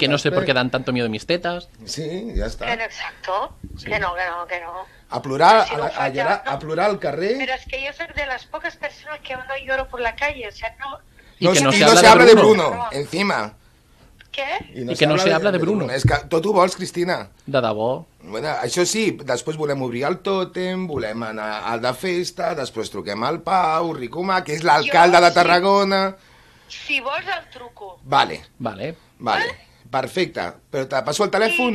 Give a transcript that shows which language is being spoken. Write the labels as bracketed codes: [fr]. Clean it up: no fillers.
[es] Que no sé [ca] per què [es] dan tanto miedo de mis tetas... [ca] Sí, ja està. [es] En exacto. Sí. Que no. [ca] A plorar, a plorar al carrer... Però és que jo soc de les poques persones que no lloro per [es] la calle, o sea, [ca] no... [es] I que no se habla de Bruno, encima. [ca] Què? [es] I que no se habla de Bruno. [ca] És que tot ho vols, Cristina. De debò. Bueno, això sí, després volem obrir el tòtem, volem anar al de festa, després truquem al Pau Ricomà, que és l'alcalde de Tarragona... Si vols el truco. Vale. Vale. Vale. Perfecte. Però te passo el telèfon.